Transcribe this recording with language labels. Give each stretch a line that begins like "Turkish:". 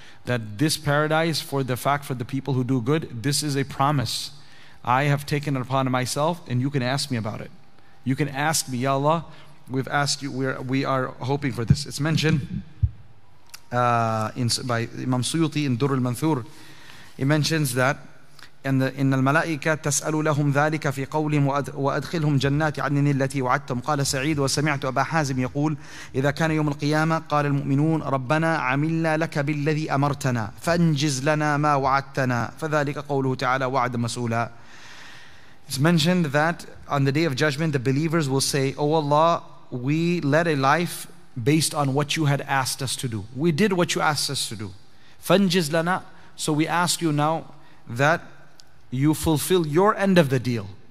English: That this paradise, for the people who do good, this is a promise. I have taken it upon myself and you can ask me about it. You can ask me, Ya Allah, we've asked you, we are hoping for this. It's mentioned by Imam Suyuti in Durr al-Manthur. He mentions that,
Arabic: إن الملائكة تسألوا لهم ذلك في قولهم وأدخلهم جنات عدن التي وعدتم قال سعيد وسمعت أبا حازم يقول إذا كان يوم القيامة قال المؤمنون ربنا عملنا لك بالذي أمرتنا فانجز لنا ما وعدتنا فذلك قوله تعالى وعد مسؤولا.
English: It's mentioned that on the day of judgment, the believers will say, O Allah, we led a life based on what you had asked us to do. We did what you asked us to do.
Arabic: فَنْجِزْ لَنَا
English: So we ask you now that you fulfill your end of the deal.